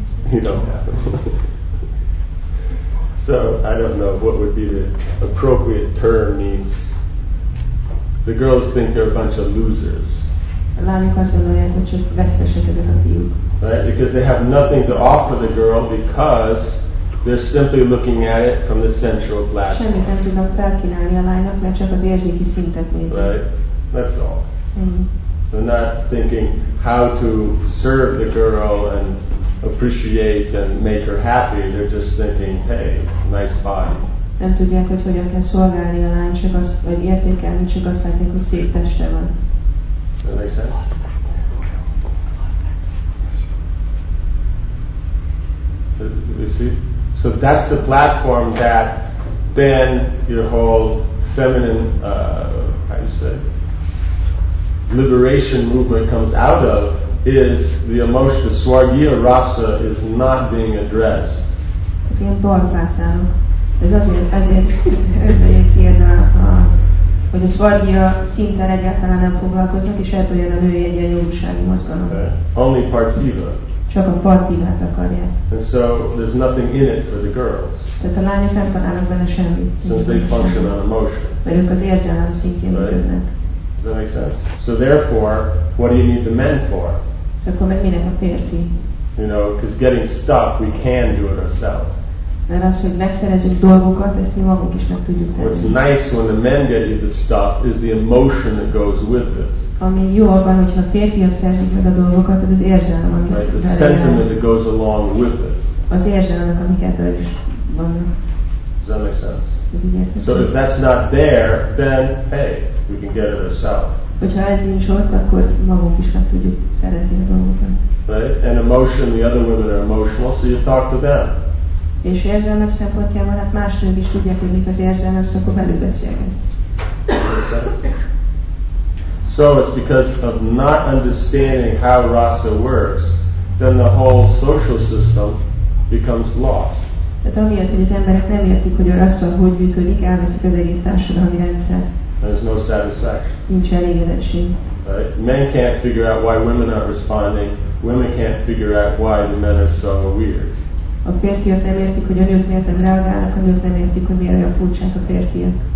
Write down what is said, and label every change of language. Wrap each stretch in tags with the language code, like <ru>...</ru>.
<en>You don't have them. So, I don't know what would be the appropriate term means. The girls think they're a bunch of losers. Right? Because they have nothing to offer the girl because they're simply looking at it from the sensual platform.</en> <hu>Semmit nem tudnak felkínálni a lánynak, mert csak az érzéki szintet nézik.</hu> <en>Right, that's all. Mm-hmm. They're not thinking how to serve the girl and appreciate and make her happy. They're just thinking, hey, nice body.</en> <hu>Nem tudják, hogy hogyan kell szolgálni a lány, csak azt, vagy értékelni, csak azt látják, hogy szép teste van.</hu> <en>That makes sense? You see? So that's the platform that then your whole feminine, how you say, liberation movement comes out of is the emotion, the swargiya rasa is not being addressed.</en> <hu>Ilyen borfácán. Ez azért jön ki ez a, hogy a swargiya szinten egyáltalán nem foglalkoznak, és ebből jön a női egyenjogúsági mozgalom.</hu> <en>Only partiva.</en> <hu>Csak a partivát akarják.</hu> <en>And so there's nothing in it for the girls.</en> <hu>Tehát a lányok nem találnak benne semmit.</hu> <en>Since they function on emotion.</en> <hu>Mert ők az érzelem szintjén működnek.</hu> <en>Does that make sense? So therefore, what do you need the men for?</en> <hu>So akkor meg minek a férfi?</hu> <en>You know, because getting stuck, we can do it ourselves.</en> <hu>Mert az, hogy megszerezzük dolgokat, ezt mi magunk is meg tudjuk tenni.</hu> <en>What's nice when the men get you the stuff is the emotion that goes with it.</en> <hu>Ami jó abban, hogyha férfiak szerzik meg a dolgokat, az az érzelem, amit</hu> <en>right, the</en> <hu>belőle.</hu> <en>Sentiment that goes along with it.</en> <hu>Az érzelemek, amiket ő is van.</hu> <en>Does that make sense? So if that's not there, then hey, we can get it ourselves.</en> <hu>Hogyha ez nincs ott, akkor magunk is meg tudjuk szerezni a dolgokat.</hu> <en>Right? And emotion, the other women are emotional, so you talk to them.</en> <hu>És érzelmek szempontjában, hát más nők is tudják, hogy mik az érzelmek, szóval akkor velük beszélgetsz.</hu> <en>So it's because of not understanding how rasa works, then the whole social system becomes lost.</en> <hu>Tehát amiatt, hogy az emberek nem értik, hogy a rasa hogy működik, elveszik az egész társadalmi rendszer.</hu> <en>There's no satisfaction.</en> <hu>Nincs elégedettség.</hu> <en>Right? Men can't figure out why women aren't responding, women can't figure out why the men are so weird.</en> <hu>A férfiak nem értik, hogy a nők miért nem reagálnak, a nők nem értik, hogy miért olyan furcsák a férfiak.</hu>